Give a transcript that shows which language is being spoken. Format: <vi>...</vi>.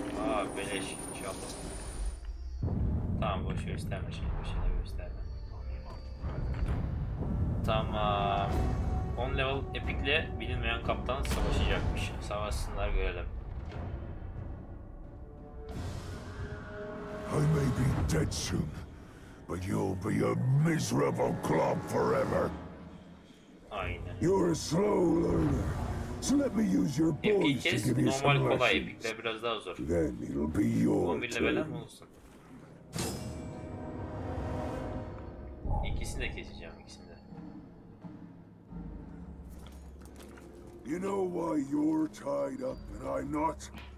<tr>Aa beleş inşallah. Tamam boş gösterme şimdi, bir şeyler gösterme. Tamam. 10 level epikle bilinmeyen kaptan savaşacakmış. Savaşsınlar görelim.</tr> <en>I may be dead soon, but you'll be a miserable club forever. Aynen. You're a slow learner, so let me use your bones to give you some lessons.</en> <tr>Normal kolay, epikle biraz daha zor.</tr> <en>Then it'll be your turn.</en> <tr>11 level'e mi olsun? İkisini de keseceğim, ikisini de.</tr> <en>You know why you're tied up and I'm not?</en>